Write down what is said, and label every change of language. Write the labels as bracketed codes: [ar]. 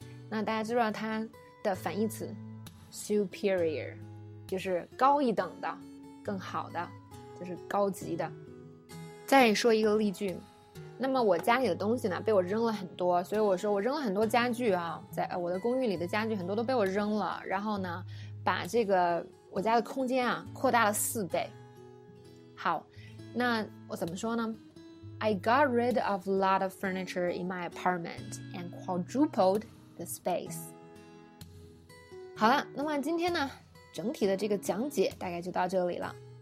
[zh] 那大家知道它的反义词 superior 就是高一等的，更好的，就是高级的。再说一个例句，那么我家里的东西呢被我扔了很多，所以我说我扔了很多家具啊，在我的公寓里的家具很多都被我扔了，然后呢把这个我家的空间啊扩大了四倍。好，那我怎么说呢？ [en] I got rid of a lot of furniture in my apartment and quadrupled the space。 [zh] 好了，那么今天呢整体的这个讲解大概就到这里了。